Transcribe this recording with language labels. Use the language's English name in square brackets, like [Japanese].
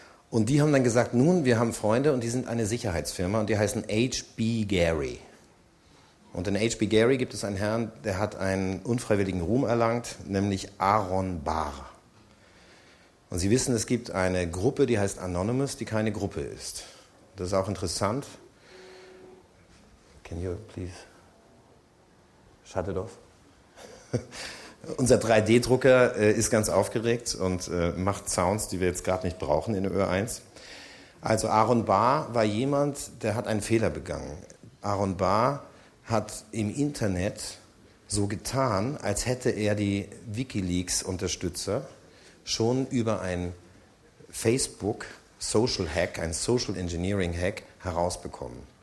[German] Und die haben dann gesagt, nun, wir haben Freunde und die sind eine Sicherheitsfirma und die heißen H.B. Gary. Und in H.B. Gary gibt es einen Herrn, der hat einen unfreiwilligen Ruhm erlangt, nämlich Aaron Barr. Und Sie wissen, es gibt eine Gruppe, die heißt Anonymous, die keine Gruppe ist. Das ist auch interessant. [English] Can you please shut it off? [German] Unser 3D-Drucker ist ganz aufgeregt und macht Sounds, die wir jetzt gerade nicht brauchen in Ö1. Also Aaron Barr war jemand, der hat einen Fehler begangen. Aaron Barr hat im Internet so getan, als hätte er die WikiLeaks-Unterstützer schon über ein Facebook-Social-Hack, ein Social-Engineering-Hack herausbekommen.